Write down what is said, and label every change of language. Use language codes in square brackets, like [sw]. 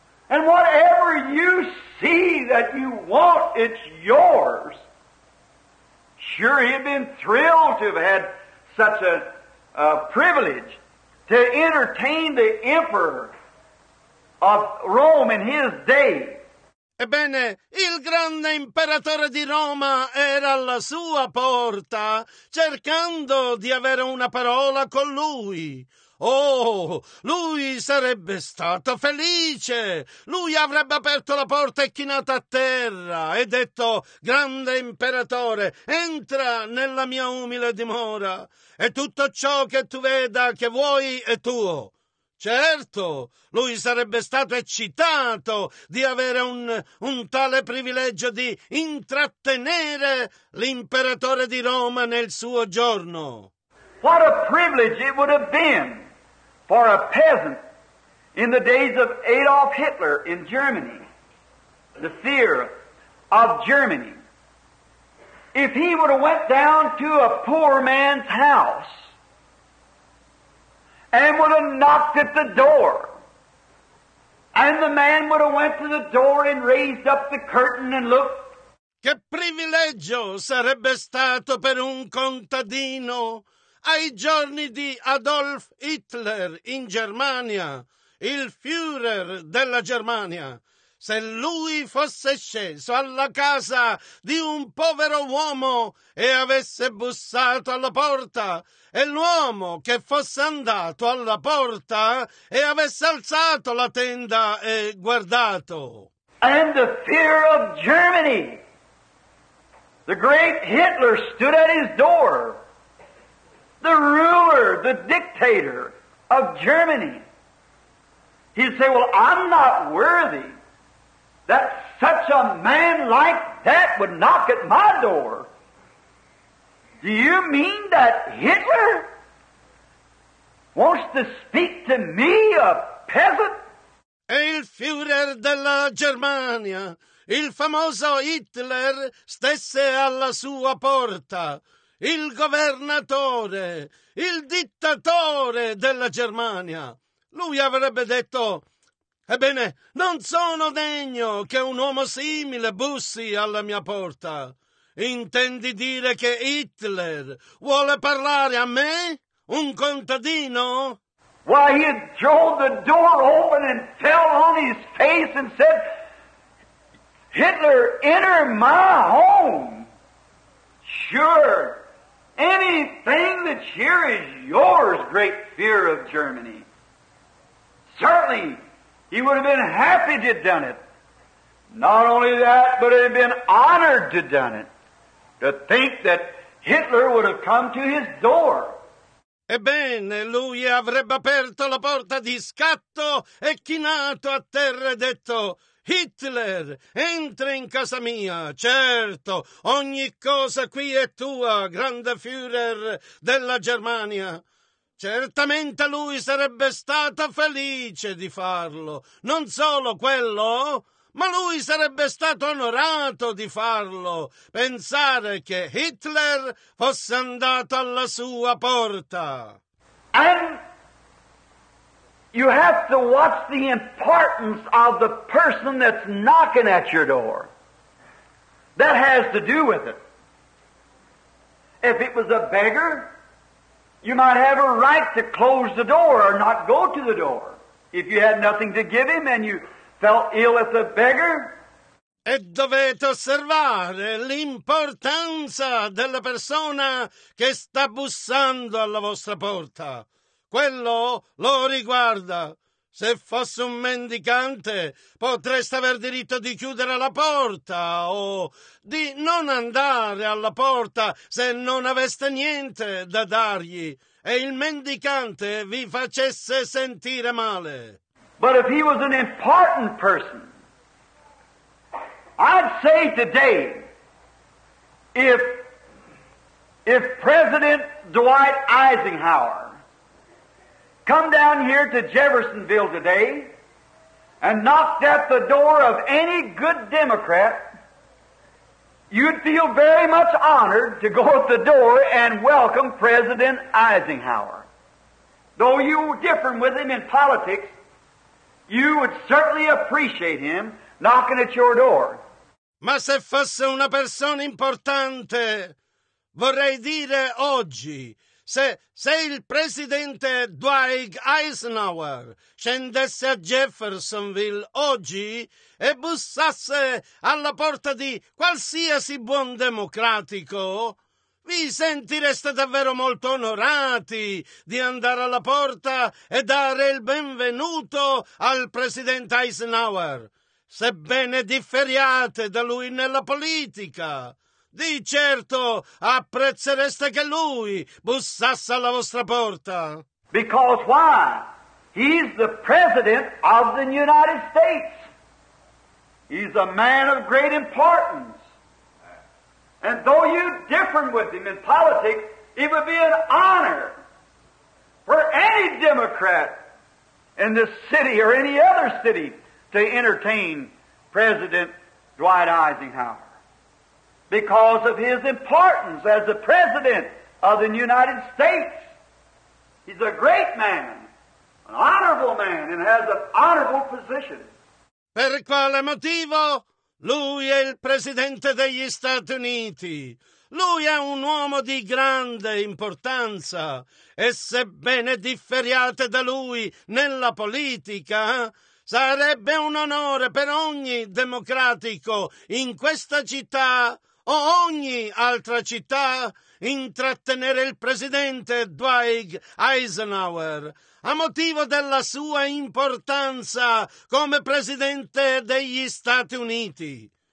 [en] And whatever you see that you want, it's yours." Sure, he'd been thrilled to have had such a privilege to entertain the emperor of Rome in his day. [it] Ebbene, il grande imperatore di Roma era alla sua porta cercando di avere una parola con lui. Oh, lui sarebbe stato felice. Lui avrebbe aperto la porta e chinato a terra e detto: "Grande imperatore, entra nella mia umile dimora e tutto ciò che tu veda che vuoi è tuo." Certo, lui sarebbe stato eccitato di avere un tale privilegio di intrattenere l'imperatore di Roma nel suo giorno. [en] What a privilege it would have been for a peasant in the days of Adolf Hitler in Germany, the fear of Germany, if he would have went down to a poor man's house and would have knocked at the door, and the man would have went to the door and raised up the curtain and looked. [it] Che privilegio sarebbe stato per un contadino ai giorni di Adolf Hitler in Germania, il Führer della Germania, se lui fosse sceso alla casa di un povero uomo e avesse bussato alla porta, e l'uomo che fosse andato alla porta e avesse alzato la tenda e guardato. [en] And the fear of Germany. The great Hitler stood at his door. The ruler, the dictator of Germany. He'd say, "Well, I'm not worthy that such a man like that would knock at my door. Do you mean that Hitler? wants to speak to me, a peasant? [it] E il Führer della Germania, il famoso Hitler, stesse alla sua porta. Il governatore, il dittatore della Germania. Lui avrebbe detto, ebbene, non sono degno che un uomo simile bussi alla mia porta. Intendi dire che Hitler vuole parlare a me, un contadino? [en] Why, he'd throw the door open and fell on his face and said, Hitler, enter my home. Sure, anything that's here is yours, great fear of Germany. Certainly, he would have been happy to have done it. Not only that, but he'd have been honored to have done it. To think that Hitler would have come to his door. [it] Ebbene, lui avrebbe aperto la porta di scatto e chinato a terra e detto, Hitler, entra in casa mia, certo, ogni cosa qui è tua, grande Führer della Germania. Certamente lui sarebbe stato felice di farlo, non solo quello, ma lui sarebbe stato onorato di farlo, pensare che Hitler fosse andato alla sua porta. [en] And you have to watch the importance of the person that's knocking at your door. That has to do with it. If it was a beggar, you might have a right to close the door or not go to the door. If you had nothing to give him and you felt ill as a beggar. [it] E dovete osservare l'importanza della persona che sta bussando alla vostra porta. Quello lo riguarda. Se fosse un mendicante, potreste aver diritto di chiudere la porta o di non andare alla porta se non aveste niente da dargli e il mendicante vi facesse sentire male. [en] But if he was an important person, I'd say today, if President Dwight Eisenhower come down here to Jeffersonville today and knocked at the door of any good Democrat, you'd feel very much honored to go at the door and welcome President Eisenhower. Though you were different with him in politics, you would certainly appreciate him knocking at your door. [it] Ma se fosse una persona importante, vorrei dire oggi, se il presidente Dwight Eisenhower scendesse a Jeffersonville oggi e bussasse alla porta di qualsiasi buon democratico, vi sentireste davvero molto onorati di andare alla porta e dare il benvenuto al presidente Eisenhower, sebbene differiate da lui nella politica. Di certo apprezzereste che lui bussasse alla vostra porta. [en] Because why? He's the president of the United States. He's a man of great importance. And though you differ with him in politics, it would be an honor for any Democrat in this city or any other city to entertain President Dwight Eisenhower because of his importance as the President of the United States. He's a great man, an honorable man, and has an honorable position. [it] Per quale motivo? Lui è il presidente degli Stati Uniti. Lui è un uomo di grande importanza e sebbene differiate da lui nella politica, sarebbe un onore per ogni democratico in questa città o ogni altra città intrattenere il presidente Dwight Eisenhower a motivo della sua importanza come presidente degli Stati Uniti.